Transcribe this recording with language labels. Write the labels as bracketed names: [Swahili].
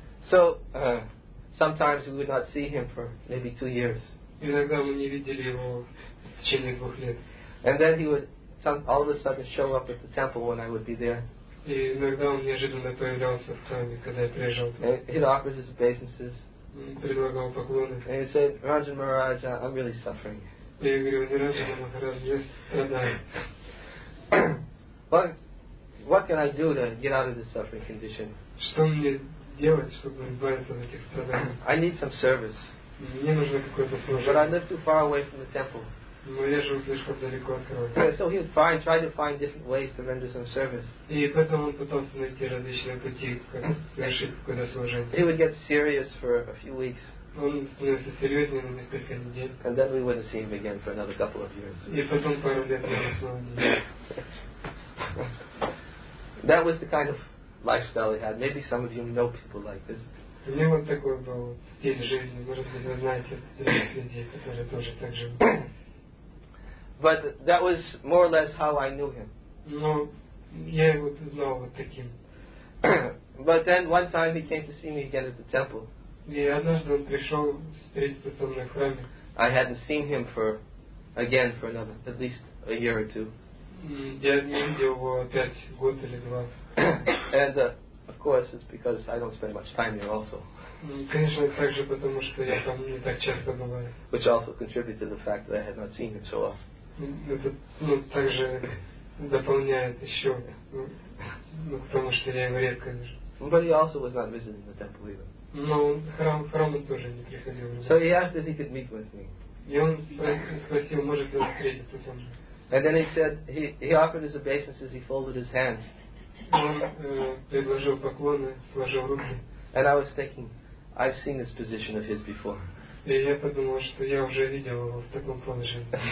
[English] So sometimes we would not see him for maybe 2 years. [Russian] Иногда мы не видели его в течение 2 лет. [English] And then he would all of a sudden show up at the temple when I would be there. [Russian] И иногда он неожиданно появлялся в храме, когда я приезжал туда. [English] He'd offer his obeisances. [Russian] Предлагал поклоны. [English] And he said, Ranjan Maharaj, I'm really suffering. [Russian] И я говорю, не Ранджан Махарадж, я страдаю. [English] But what can I do to get out of this suffering condition? [Russian] Что мне делать, чтобы избавиться от этих страданий? [English] I need some service. [Russian] Мне нужно какое-то служение. [English] But I live too far away from the temple. [Russian] Но я жил слишком далеко от кровати. [English] So he would find, try to find different ways to render some service. [Russian] И поэтому он пытался найти различные пути, как совершить какое-то служение. [English] He would get serious for a few weeks. [Russian] Он становился серьезнее на несколько недель. [English] And then we wouldn't see him again for another couple of years. [Russian] И потом пару лет мы снова не видели. [English] That was the kind of lifestyle he had. Maybe some of you know people like this. [Russian] У него такой был стиль жизни. Может быть, вы знаете людей, которые тоже так живут. [English] But that was more or less how I knew him. [Russian] Но я его знал вот таким. [English] But then one time he came to see me again at the temple. [Russian] И однажды он пришел встретиться со мной в храме. [English] I hadn't seen him for again for another at least a year or two. [Russian] Я не видел его опять год или два. [English] And of course it's because I don't spend much time there also. [Russian] Конечно, также потому что я там не так часто бываю. [English] Which also contributed to the fact that I had not seen him so often. [Russian] Это, ну, также дополняет еще, ну, потому что я его редко вижу. [English] But he also was not visiting the temple either. [Russian] Но он, храм он тоже не приходил. [English] So he asked if he could meet with me. [Russian] И он спросил, может ли он встретиться со мной. [English] And then he said, he offered his obeisances, he folded his hands. [Russian] Он предложил поклоны, сложил руки. [English] And I was thinking, I've seen this position of his before. [Russian] И я подумал, что я уже видел его в таком положении.